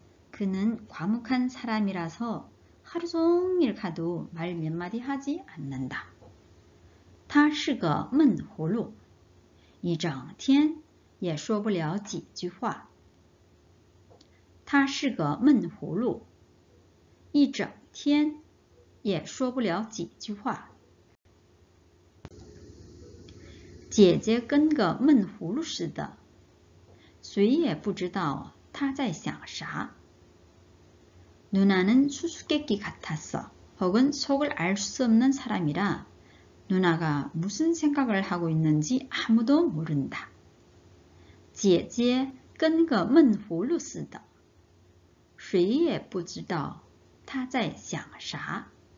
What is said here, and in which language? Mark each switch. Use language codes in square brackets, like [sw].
[ko] 그는 과묵한 사람이라서 하루 종일 가도 말 몇 마디 하지 않는다. [zh] 他是个闷葫芦，一整天也说不了几句话。他是个闷葫芦，一整天。也说不了几句话。姐姐跟个闷葫芦似的，谁也不知道她在想啥。 [ko] 누나는 수수께끼 같았어. 혹은 속을 알 수 없는 사람이라 누나가 무슨 생각을 하고 있는지 아무도 모른다. [zh] 姐姐跟个闷葫芦似的，谁也不知道她在想啥。